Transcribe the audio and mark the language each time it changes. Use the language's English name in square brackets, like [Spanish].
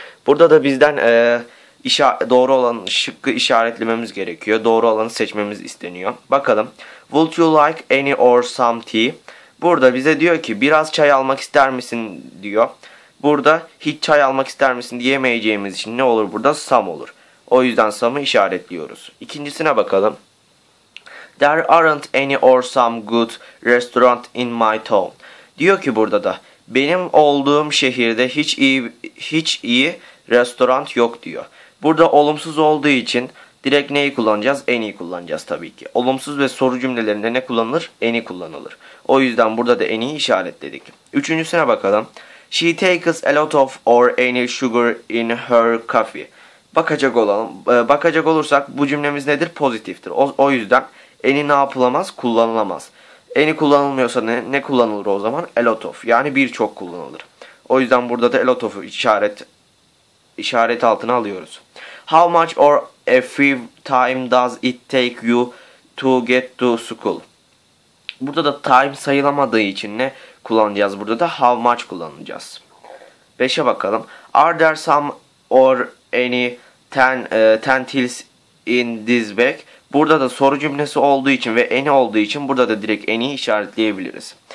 [Turkish] Burada da bizden doğru olan şıkkı işaretlememiz gerekiyor. Doğru olanı seçmemiz isteniyor. Bakalım. [English] Would you like any or some tea? [Turkish] Burada bize diyor ki biraz çay almak ister misin diyor. Burada hiç çay almak ister misin diyemeyeceğimiz için ne olur burada? Some olur. O yüzden some'ı işaretliyoruz. İkincisine bakalım. [English] There aren't any or some good restaurant in my town. [Turkish] Diyor ki burada da benim olduğum şehirde hiç iyi restaurant yok diyor. Burada olumsuz olduğu için direkt neyi kullanacağız? Any'i kullanacağız tabii ki. Olumsuz ve soru cümlelerinde ne kullanılır? Any kullanılır. O yüzden burada da any'i işaretledik. Üçüncüsüne bakalım. [English] She takes a lot of or any sugar in her coffee. [Turkish] Bakacak olursak bu cümlemiz nedir? Pozitiftir. O yüzden any ne yapılamaz? Kullanılamaz. Any kullanılmıyorsa ne kullanılır o zaman? A lot of, yani birçok kullanılır. O yüzden burada da a lot of'u işaret altına alıyoruz. [English] How much or a few time does it take you to get to school? [Turkish] Burada da time sayılamadığı için ne kullanacağız? Burada da how much kullanacağız. 5'e bakalım. [English] Are there some or any tentacles in this bag? [Turkish] Burada da soru cümlesi olduğu için ve any olduğu için burada da direkt any'i işaretleyebiliriz.